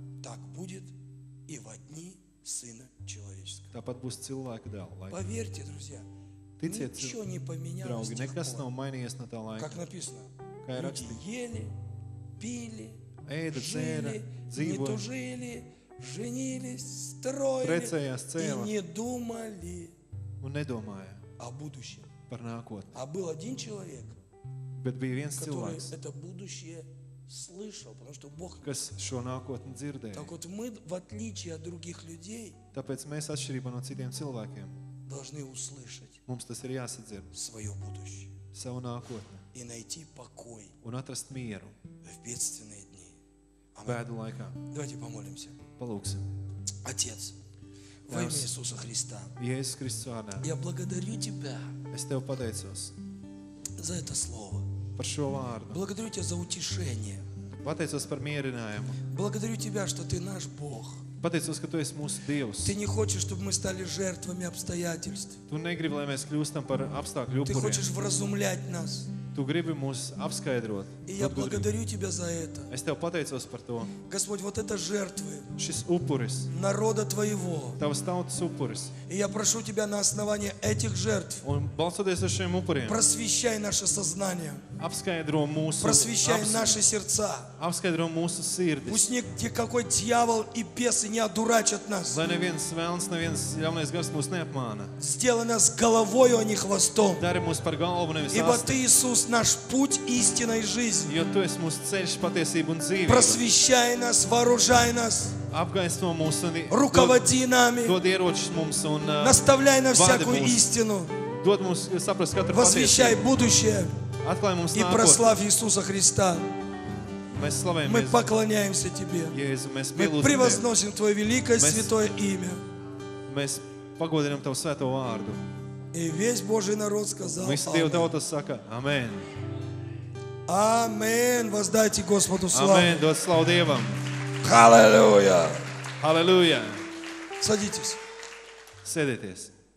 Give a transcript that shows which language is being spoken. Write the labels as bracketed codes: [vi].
[ru] Так будет и во дни сына человеческого. [lv] Tāpat būs cilvēka dēla laikā. [ru] Поверьте, друзья. [lv] Ticiet, [ru] ничего не поменялось. [lv] Draugi, nekas nav mainījies no tā laika. [ru] Как написано? [lv] Kā ir rakstīts? [ru] Ели, пили, [lv] ēda, dzēra, dzīvoja. [ru] Не тужили, женились, строили. [lv] Precējās, cēla. [ru] И не думали. [lv] Un nedomāja. [ru] О будущем. [lv] Par nākotni. [ru] А был один человек. [lv] Bet bija viens cilvēks. [ru] Это будущее слышал, потому что Бог [lv] kas šo nākotni dzirdēja. [ru] Так вот мы в отличие от других людей, [lv] tāpēc mēs atšķirībā no citiem cilvēkiem, [ru] должны услышать. [lv] Mums tas ir jāsadzird. [ru] Своё будущее. [lv] Savu nākotni. [ru] И найти покой. [lv] Un atrast mieru. [ru] В бедственные дни. [lv] Bēdu laikā. [ru] Давайте помолимся. [lv] Palūksim. [ru] Отец. Во имя Иисуса Христа. [lv] Jēzus Kristus vārdā. [ru] Я благодарю тебя. [lv] Es tev pateicos. [ru] За это слово. [lv] Par šo vārdu. [ru] Благодарю тебя за утешение. [lv] Pateicos par mierinājumu. [ru] Благодарю тебя, что ты наш Бог. [lv] Pateicos, ka tu esi mūsu Dievs. [ru] Ты не хочешь, чтобы мы стали жертвами обстоятельств. [lv] Tu negribi, lai mēs kļūstam par apstākļu upuriem. [ru] Ты хочешь вразумлять нас. [lv] Tu gribi mūs apskaidrot. [ru] И я благодарю тебя за это. [lv] Es tev pateicos par to. [ru] Господь, вот это жертвы. [lv] Šis upuris. [ru] Народа твоего. [lv] Tavas tautas upuris. [ru] И я прошу тебя на основании этих жертв. [lv] Un balstoties uz šiem upuriem. [ru] Просвещай наше сознание. [lv] Apskaidro mūsu. [ru] Просвещай наши сердца. [lv] Apskaidro mūsu sirdis. [ru] Пусть никакой дьявол и бесы не одурачат нас. [lv] Lai neviens velns, neviens ļaunais gars mūs neapmāna. [ru] Сделай нас головой, а не хвостом. [lv] Dari mūs par galvu, nevis asti. [ru] Ибо ты Иисус наш путь истинной жизни. [lv] Jo tu esi mūsu ceļš, patiesība un dzīvība. [ru] Просвещай нас, вооружай нас. [lv] Apgaismo mūs un [ru] руководи нами. [lv] Dod ieročus mums un [ru] наставляй нас всякую истину. [lv] Dod mums saprast katru [ru] patiesību. Возвещай будущее. [lv] Atklāj mums [ru] nākotni. И прослав Иисуса Христа. [lv] Mēs slavējam [ru] Jēzu. Мы поклоняемся тебе. [lv] Jēzu, mēs [ru] мы превозносим твое великое святое имя. [lv] Mēs pagodinām tavu svēto vārdu. [ru] И весь Божий народ сказал. [lv] Mēs Dieva tauta saka: Amen. Amen. [ru] Воздайте Господу славу. [lv] Amen. Dod slavu Dievam. Halleluja. Halleluja. [ru] Садитесь. [lv] Sēdieties.